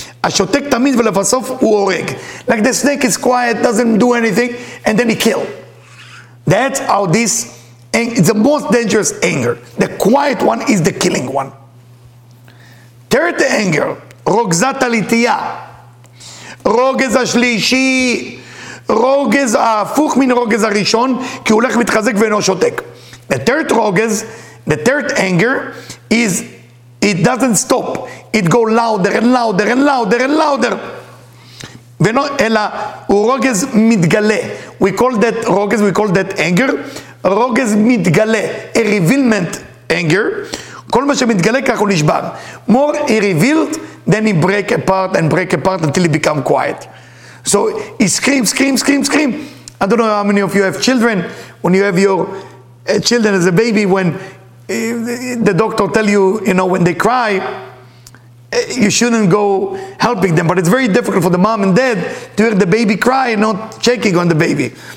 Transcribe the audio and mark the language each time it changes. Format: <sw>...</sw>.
<he>השותק תמיד ולבסוף הוא הורג.</he> <en>Like the snake is quiet, doesn't do anything, and then he kill. That's how this, it's the most dangerous anger. The quiet one is the killing one.</en> <he>Third anger, רוגזת הליטייה. רוגז השלישי, רוגז ההפוך מן רוגז הראשון, כי הוא הולך מתחזק ואינו שותק.</he> <en>The third רוגז, the third anger, is, it doesn't stop. It go louder.</en> <he>ואינו, אלא, הוא רוגז מתגלה.</he> <en>We call that רוגז, we call that anger.</en> <he>רוגז מתגלה,</he> <en>a revealment anger.</en> <he>כל מה שמתגלה כך הוא נשבר.</he> <en>More he revealed, then he break apart and break apart until he become quiet. So he scream. I don't know how many of you have children. When you have your children as a baby, when the doctor tell you, you know, when they cry, you shouldn't go helping them. But it's very difficult for the mom and dad to hear the baby cry and not checking on the baby.</en>